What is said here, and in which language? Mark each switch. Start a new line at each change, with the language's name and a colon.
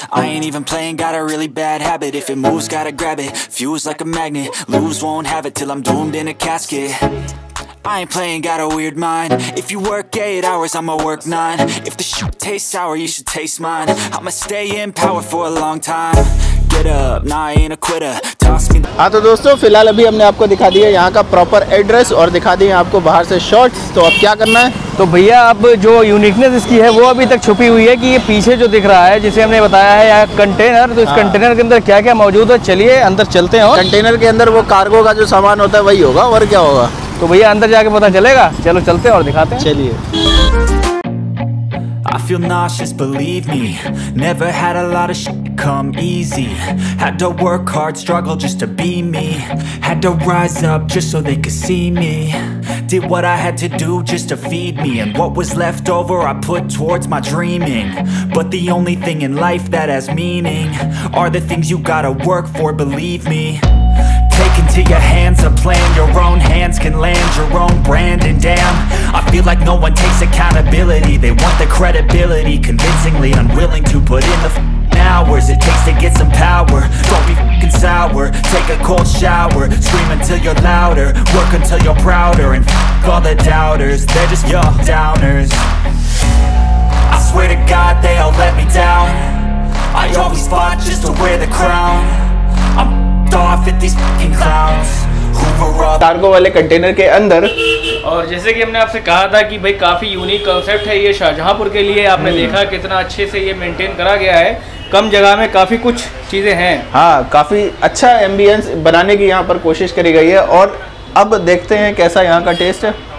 English: I ain't even playing, got a really bad habit. If it moves, gotta grab it. Fuse like a magnet, lose, won't have it till I'm doomed in a casket. I ain't playing, got a weird mind. If you work 8 hours, I'ma work 9. If the shit tastes sour, you should taste mine. I'ma stay in power for a long time. Get up, nah, I ain't a quitter.
Hindi: हाँ, तो दोस्तों फिलहाल अभी हमने आपको दिखा दिया यहाँ का प्रॉपर एड्रेस और दिखा दिए आपको बाहर से शॉट्स। तो अब क्या करना है? तो भैया, अब जो यूनिकनेस इसकी है वो अभी तक छुपी हुई है कि ये पीछे जो दिख रहा है, जिसे हमने बताया है यहाँ कंटेनर, तो इस कंटेनर के अंदर क्या क्या मौजूद है, चलिए अंदर चलते हैं। कंटेनर के अंदर वो कार्गो का जो सामान होता है वही होगा, और क्या होगा। तो भैया अंदर जाके पता चलेगा, चलो चलते हैं और दिखाते हैं। चलिए।
English: I feel nauseous, believe me. Never had a lot of shit come easy. Had to work hard, struggle just to be me. Had to rise up just so they could see me. Did what I had to do just to feed me. And what was left over I put towards my dreaming. But the only thing in life that has meaning are the things you gotta work for, believe me. Take into your hands a plan. Your own hands can land your own brand. And damn, I feel like no one takes accountability. They want the credibility, convincingly unwilling to put in the hours it takes to get some power. Don't be f***ing sour, take a cold shower. Scream until you're louder, work until you're prouder. And f*** all the doubters, they're just your downers. I swear to God they all let me down. I always fought just to wear the crown. I'm f***ed off at these f***ing clowns.
Hindi: Cargo वाले container के अंदर। और जैसे कि हमने आपसे कहा था कि भाई काफी यूनिक कॉन्सेप्ट है ये शाहजहांपुर के लिए, आपने देखा कितना अच्छे से ये मेंटेन करा गया है, कम जगह में काफी कुछ चीजें हैं। हाँ, काफी अच्छा एम्बियंस बनाने की यहाँ पर कोशिश करी गई है, और अब देखते हैं कैसा यहाँ का टेस्ट है।